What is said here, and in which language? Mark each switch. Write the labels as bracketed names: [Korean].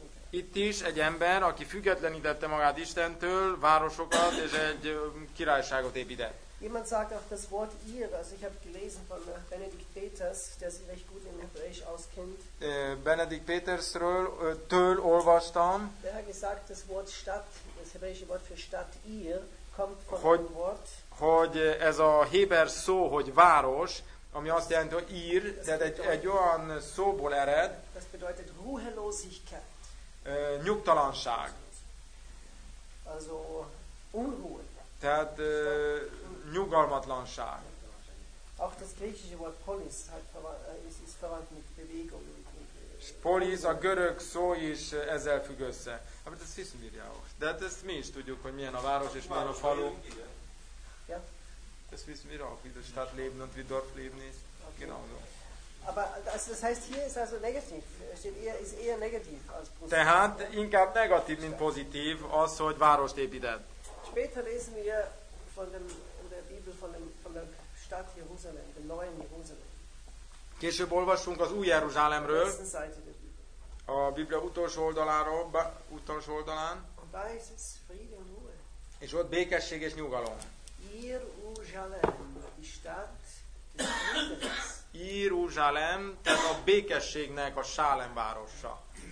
[Hungarian] Itt is egy ember, aki függetlenítette magát Istentől, városokat és egy királyságot épített. [German] Jemand sagt auch das Wort ihr, also ich habe gelesen von Benedikt Peters, der sich recht gut in Hebräisch auskennt. [Hungarian] Benedikt Petersről től olvastam. [German] Der hat gesagt, das Wort Stadt, das hebräische Wort für Stadt ihr, kommt von hogy, dem Wort. [Hungarian] Hogy ez a héber szó, hogy város, ami azt jelenti, hogy ír, tehát egy olyan szóból ered. [German] Das bedeutet Ruhelosigkeit. [Hungarian] Nyugtalanság. [German] Also Unruhe. [Hungarian] Tehát nyugalmatlanság. [German] Auch das griechische Wort polis ist verwandt mit Bewegung. [Hungarian] Polis, a görög szó is ezzel függ össze. Hát ezt hiszem írja most. De hát ezt mi is tudjuk, hogy milyen a város és milyen a falu. [German] Ja. [Hungarian] Ezt hiszem írja, hogy a [German] Stadt leben und wie Dorf leben ist. Genau so. Aber das heißt, hier ist also negativ. Ist eher negativ als positiv. [Hungarian] Tehát inkább negatív, mint pozitív az, hogy várost épített. [German] Später lesen wir von dem in der Bibel von der Stadt Jerusalem, dem neuen Jerusalem. [Hungarian] Később olvassunk az új Jeruzsálemről. A Biblia utolsó oldaláról, utolsó oldalán. [German] Und da ist es Friede und Ruhe. [Hungarian] És ott békesség és nyugalom. [German] Jerusalem, die Stadt des Friedens. [Hungarian] Jerusalem, tehát a békességnek a Sálem városa.